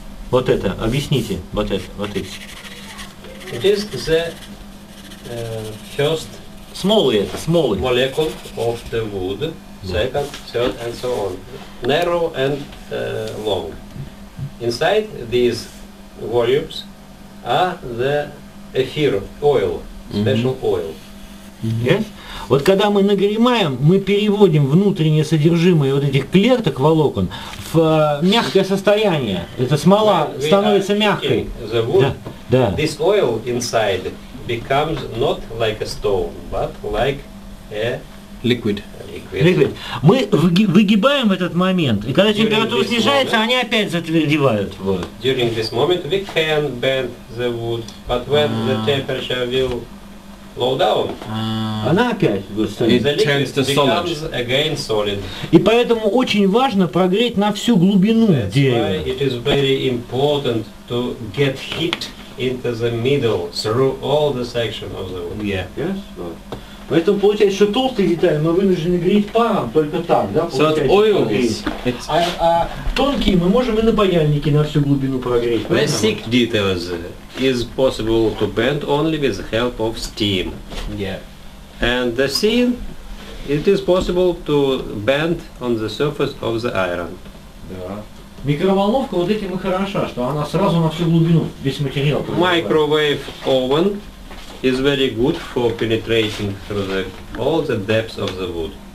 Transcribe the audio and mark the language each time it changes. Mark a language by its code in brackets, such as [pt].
[ru] Вот это, объясните, вот это, вот это. [en] It is the first... Smaller. Molecule of the wood, second, third, and so on, narrow and long. Inside these volumes are the ether oil, special oil. Mm-hmm. Yes. [ru] Вот когда мы нагреваем, мы переводим внутреннее содержимое вот этих клеток волокон в мягкое состояние. Эта смола становится мягкой. [en] The wood. [ru] Да. [en] This oil inside becomes not like a stone, but like a liquid. Liquid. [ru] Мы выгибаем этот момент, и когда температура снижается, они опять затвердевают. [en] During this moment we can bend the wood, but when the temperature will low down, [ru] она опять [en] becomes again solid. [ru] И поэтому очень важно прогреть на всю глубину дерева. [en] That's why it is very important to get heat into the middle, through all the section of the wood. Yeah. Yes. Right. [ru] Поэтому получается, что толстые детали мы вынуждены греть паром только там, да? [en] So it's oil. [ru] Тонкие мы можем и на паяльнике на всю глубину прогреть. [en] The thick details is possible to bend only with the help of steam. Yeah. And the thin, it is possible to bend on the surface of the iron. [ru] Микроволновка вот этим и хороша, что она сразу на всю глубину весь материал. [en] Microwave oven is very good for penetrating through all the depths of the wood.